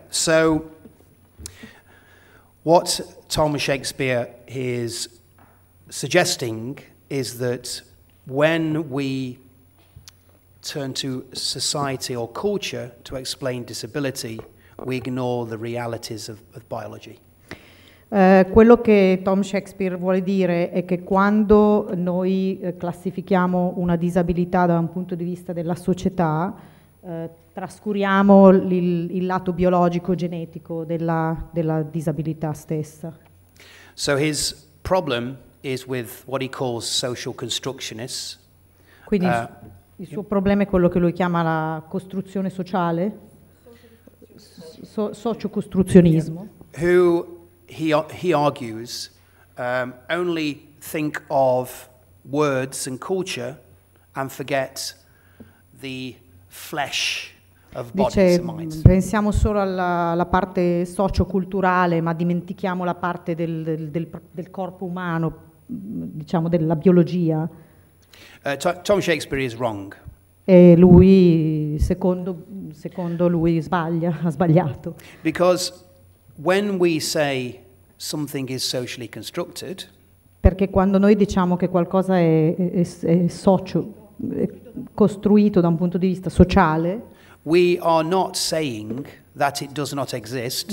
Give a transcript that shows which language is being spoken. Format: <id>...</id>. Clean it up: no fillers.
<en>So what Thomas Shakespeare is suggesting is that when we turn to society or culture to explain disability, we ignore the realities of biology.</en> <it>Quello che Tom Shakespeare vuole dire è che quando noi classifichiamo una disabilità da un punto di vista della società, trascuriamo il lato biologico genetico della disabilità stessa.</it> <en>So his problem is with what he calls social constructionists.</en> <it>Quindi il suo problema è quello che lui chiama la costruzione sociale. Socio-costruzionismo.</it> <en>Who he argues only think of words and culture and forget the flesh of bodies.</en> <it>Dice,</it> <en>and minds.</en> <it>Pensiamo solo alla parte socio-culturale, ma dimentichiamo la parte del corpo umano, diciamo della biologia.</it> <en>Tom Shakespeare is wrong.</en> <it>E lui, secondo lui, sbaglia, ha sbagliato.</it> <en>Because when we say something is socially constructed,</en> <it>perché quando noi diciamo che qualcosa è socio, è costruito da un punto di vista sociale,</it> <en>we are not saying that it does not exist.</en>